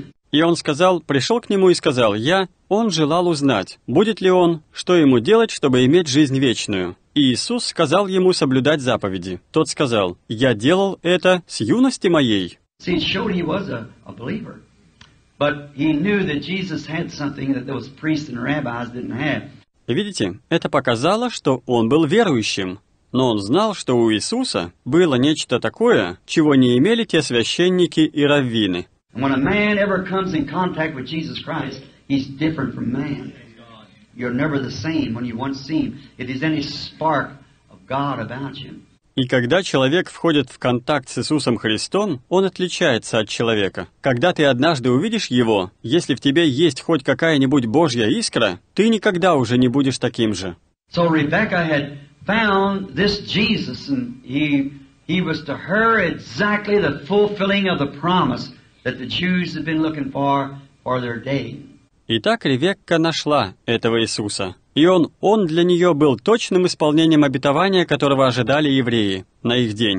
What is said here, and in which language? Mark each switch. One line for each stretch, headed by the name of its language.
Russian: И он сказал, пришел к нему и сказал, он желал узнать, будет ли он, что ему делать, чтобы иметь жизнь вечную. И Иисус сказал ему соблюдать заповеди. Тот сказал, «Я делал это с юности моей».
English: See, showed he was a believer. But he knew that Jesus had something that those priests and rabbis didn't have.
Russian: Видите, это показало, что он был верующим. Но он знал, что у Иисуса было нечто такое, чего не имели те священники и раввины.
English: When a man ever comes in contact with Jesus Christ, he's different from man. You're never the same when you once see him. If there's any spark of God about you.
Russian: И когда человек входит в контакт с Иисусом Христом, он отличается от человека. Когда ты однажды увидишь его, если в тебе есть хоть какая-нибудь Божья искра, ты никогда уже не будешь таким же.
English: So Rebecca had found this Jesus, and he was to her exactly the fulfilling of the promise that the Jews had been looking for their day.
Russian: Итак, Ревекка нашла этого Иисуса. И он для нее был точным исполнением обетования, которого ожидали евреи на их